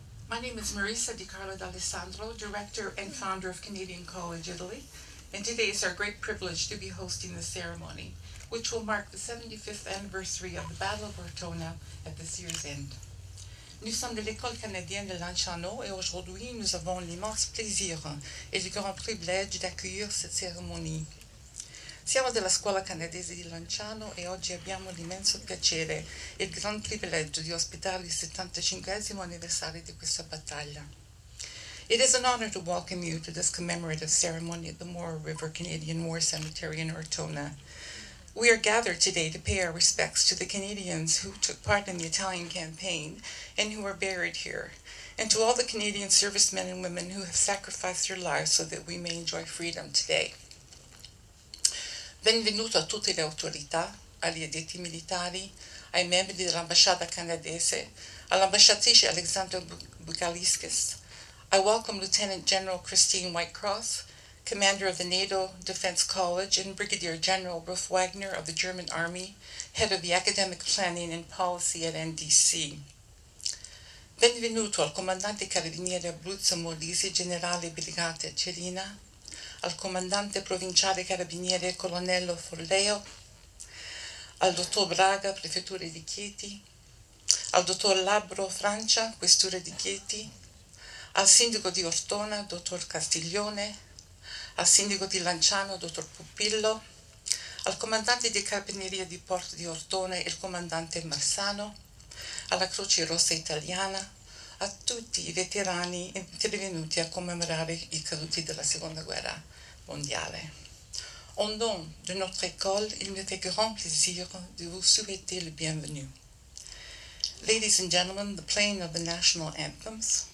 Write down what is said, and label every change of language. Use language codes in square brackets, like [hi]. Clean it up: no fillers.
[en] My name is Marisa Di Carlo D'Alessandro, director and founder of Canadian College Italy, and today is our great privilege to be hosting the ceremony, which will mark the 75th anniversary of the Battle of Ortona at this year's end. [fr] Nous sommes de l'École canadienne de Lanciano et aujourd'hui nous avons l'immense plaisir et le grand privilège d'accueillir cette cérémonie. [it] Siamo della Scuola Canadese di Lanciano e oggi abbiamo l'immenso piacere e il gran privilegio di ospitare il 75esimo anniversario di questa battaglia. [en] It is an honor to welcome you to this commemorative ceremony at the Moore River Canadian War Cemetery in Ortona. We are gathered today to pay our respects to the Canadians who took part in the Italian campaign and who are buried here, and to all the Canadian servicemen and women who have sacrificed their lives so that we may enjoy freedom today. [it] Benvenuto a tutte le autorità, agli addetti militari, ai membri dell'ambasciata canadese, all'ambasciatrice Alexandra Bukaliskis. [en] I welcome Lieutenant General Christine Whitecross, Commander of the NATO Defense College, and Brigadier General Ruth Wagner of the German Army, Head of the Academic Planning and Policy at NDC. [it] Benvenuto al Comandante Carabinieri Abruzzo Molise, Generale Brigante Cerina, al Comandante Provinciale Carabinieri Colonnello Forleo, al Dottor Braga, Prefettura di Chieti, al Dottor Labbro Francia, Questura di Chieti, al Sindaco di Ortona, Dottor Castiglione, al Sindaco di Lanciano, Dottor Pupillo, al Comandante di Carabinieria di Porto di Ortona, il Comandante Marsano, alla Croce Rossa Italiana, a tutti i veterani intervenuti a commemorare i caduti della Seconda Guerra Mondiale. [fr] Au nom de notre école, il me fait grand plaisir de vous souhaiter le bienvenu. [en] Ladies and gentlemen, the playing of the national anthems.